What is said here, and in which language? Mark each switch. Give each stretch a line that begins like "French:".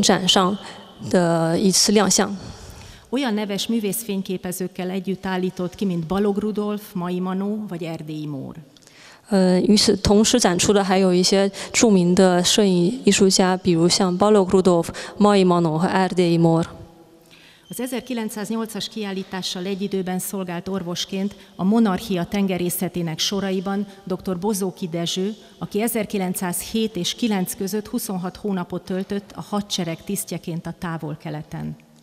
Chinese: 他最重要的一次展示是1908年的在第一次的国家艺术与科学摄影展上的一次亮相。
Hungarian: Olyan neves művész fényképezőkkel együtt állított ki, mint Balog Rudolf, Mai Manó vagy Erdélyi Mór.
Chinese: 与此同时展出的还有一些著名的摄影艺术家，比如像巴洛克鲁多夫、莫伊莫诺和埃尔德伊莫尔。
Hungarian: Az 1908-as kiállítással egy időben szolgált orvosként a Monarchia tengerészetének soraiban dr. Bozóki Dezső, aki 1907 és 9 között 26 hónapot töltött a hadsereg tisztjeként a Távol-Keleten.